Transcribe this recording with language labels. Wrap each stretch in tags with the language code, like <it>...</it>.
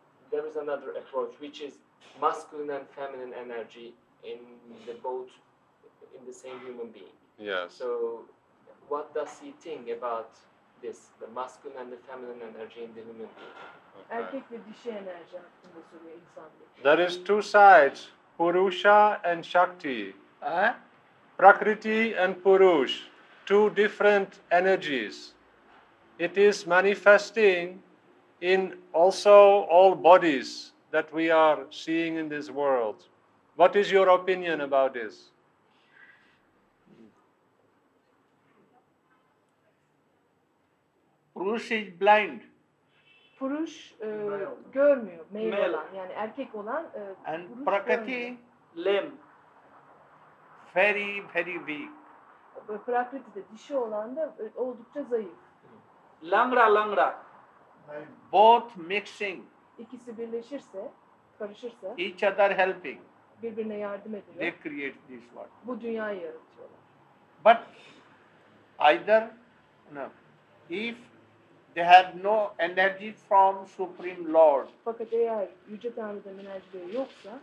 <en>there is another approach, which is masculine and feminine energy in the both, in the same human being. Yes. So what does he think about this, the masculine and the feminine energy in the human being?</en> <tr>Erkek ve dişi enerji aslında soruyor insanlık.</tr> <en>There is two sides, Purusha and Shakti. Prakriti and Purush, two different energies. It is manifesting in also all bodies that we are seeing in this world. What is your opinion about this? Purush is blind.</en> <tr>Purush görmüyor,</tr> <en>male</en> <tr>olan, yani erkek olan.</tr> <en>And Prakriti, limb. Very, very weak.</en> <tr>Prakriti de dişi olan da oldukça zayıf.</tr> <hi>Langra, langra.</hi> <en>Both mixing.</en> <tr>İkisi birleşirse, karışırsa.</tr> <en>Each other helping.</en> <tr>Birbirine yardım ediyor.</tr> <en>They create this world.</en> <tr>Bu dünyayı yaratıyorlar.</tr> <en>But either, no. If they have no energy from Supreme Lord.</en> <tr>Fakat eğer Yüce Tanrı'dan enerjileri yoksa.</tr>